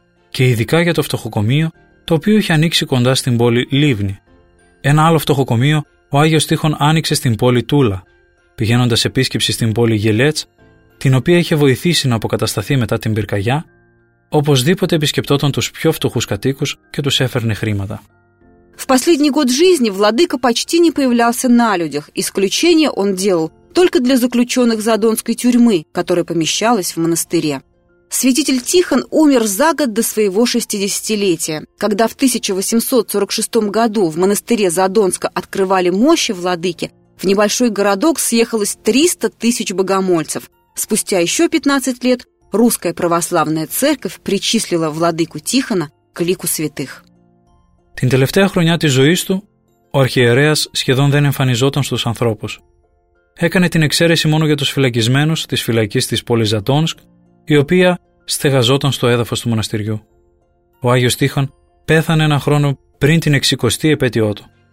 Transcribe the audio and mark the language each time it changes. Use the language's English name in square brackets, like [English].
[Greek] Και ειδικά για το φτωχοκομείο, το οποίο είχε ανοίξει κοντά στην πόλη Λίβνη. Ένα άλλο φτωχοκομείο ο Άγιος Τίχον άνοιξε στην πόλη Τούλα, πηγαίνοντας επίσκεψη στην πόλη Γελέτς, την οποία είχε βοηθήσει να αποκατασταθεί μετά την πυρκαγιά, οπωσδήποτε επισκεπτόταν τους πιο φτωχούς κατοίκους και τους έφερνε χρήματα. [Russian] В последний год жизни владыка почти не появлялся на людях. Исключение он делал только для заключенных Задонской тюрьмы, которая помещалась в монастыре. Святитель Тихон умер за год до своего 60-летия. Когда в 1846 году в монастыре Задонска открывали мощи владыки, в небольшой городок съехалось 300 тысяч богомольцев. Спустя еще 15 лет русская православная церковь причислила владыку Тихона к лику святых. [Greek] Την τελευταία χρονιά της ζωής του, ο αρχιερέας σχεδόν δεν εμφανιζόταν στους ανθρώπους. Έκανε την εξαίρεση μόνο για τους φυλακισμένους της φυλακής της πόλης Ζατόνσκ, η οποία στεγαζόταν στο έδαφος του μοναστηριού. Ο Άγιος Τίχον πέθανε ένα χρόνο πριν την 60η επέτειό του.